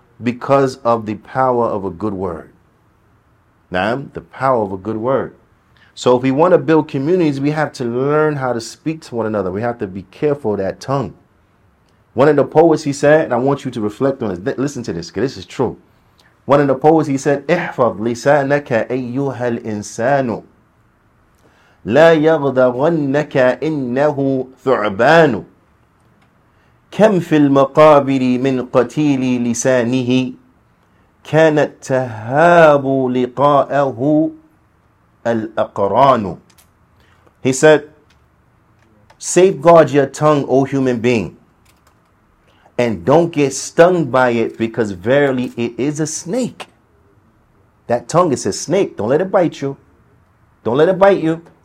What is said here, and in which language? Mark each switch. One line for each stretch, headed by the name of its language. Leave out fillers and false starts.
English: Because of the power of a good word. Naam? The power of a good word. So if we want to build communities, we have to learn how to speak to one another. We have to be careful of that tongue. One of the poets, he said, and I want you to reflect on this. Listen to this, because this is true. One of the poets, he said,
Arabic: احفظ لسانك أيها الإنسان لا يغدرنك إنه ثعبان كم في المقابر من قتيل لسانه كانت تهاب لقاءه الأقران.
English: He said, safeguard your tongue, O human being, and don't get stung by it, because verily it is a snake. That tongue is a snake. Don't let it bite you. Don't let it bite you.